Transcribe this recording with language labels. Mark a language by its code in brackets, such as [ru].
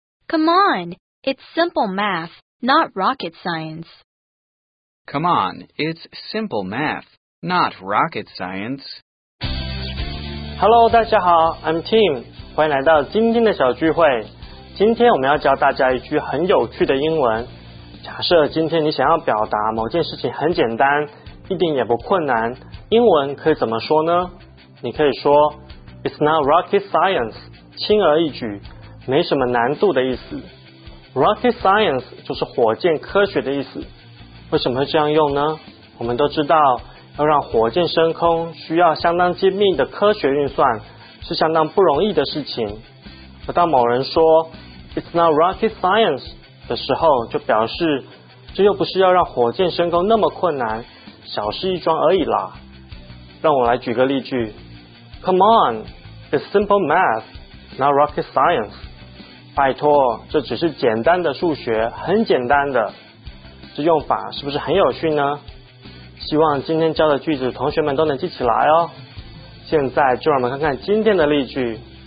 [en] Come on, it's simple math, not rocket science. Come on, it's simple math, not rocket science. Hello, [zh] 大家好 ，I'm Tim， 欢迎来到今天的小聚会。今天我们要教大家一句很有趣的英文。假设今天你想要表达某件事情很简单，一点也不困难，英文可以怎么说呢？你可以说 ， [en] It's not rocket science， [zh] 轻而易举。没什么难度的意思。 Rocket science 就是火箭科学的意思。为什么会这样用呢？我们都知道，要让火箭升空需要相当精密的科学运算，是相当不容易的事情。而当某人说 [en] It's not rocket science [zh] 的时候，就表示这又不是要让火箭升空那么困难，小事一桩而已啦。让我来举个例句 [en] ，Come on, it's simple math, not rocket science。 [zh] 拜托，这只是简单的数学，很简单的。这用法是不是很有趣呢？希望今天教的句子同学们都能记起来哦。现在就让我们看看今天的例句。